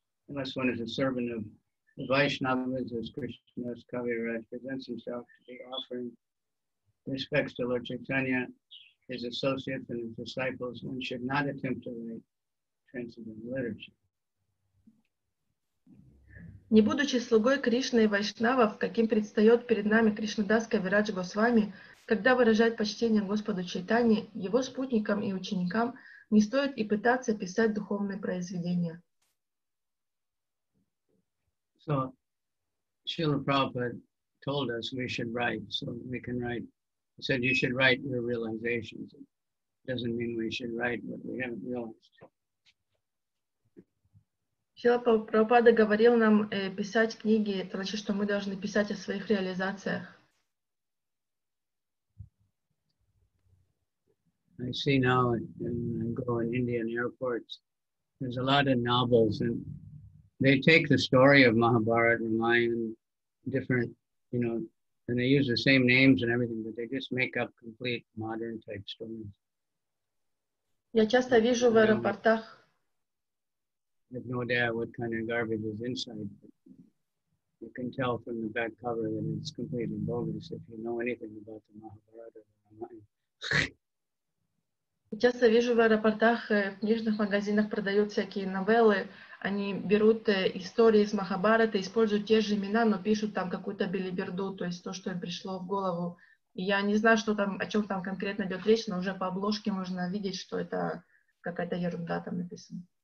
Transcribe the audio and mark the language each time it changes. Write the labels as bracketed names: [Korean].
[English] Unless one is a servant of the Vaishnavas, as Krishna's Kaviraj presents himself to be offering respects to Lord Chaitanya, his associates and his disciples, one should not attempt to write transcendental literature. [Russian] Не будучи слугой Кришны и вайшнавов, каким предстает перед нами Кришнадас Кавирадж Госвами, когда выражает почтение Господу Чайтанье, его спутникам и ученикам не стоит и пытаться писать духовные произведения. [English] So, Srila Prabhupada told us we should write, so we can write. He said you should write your realizations. It doesn't mean we should write what we haven't realized. [Russian] Шрила Прабхупада говорил нам писать книги, это значит, что мы должны писать о своих реализациях. [English] I see now when I go in Indian airports, there's a lot of novels, and they take the story of Mahabharata, Ramayana, different, you know, and they use the same names and everything, but they just make up complete modern type stories. [Russian] Я часто вижу в аэропортах. [English] I have no idea what kind of garbage is inside. You can tell from the back cover that it's completely bogus if you know anything about the Mahabharata. [Russian] Часто вижу в аэропортах, в книжных магазинах продают всякие новеллы. Они берут истории из Махабхараты, используют те же имена, но пишут там какую-то билиберду, то есть то, что им пришло в голову. И я не знаю, что там, о чем там конкретно идет речь, но уже по обложке можно видеть, что это какая-то ерунда там написана.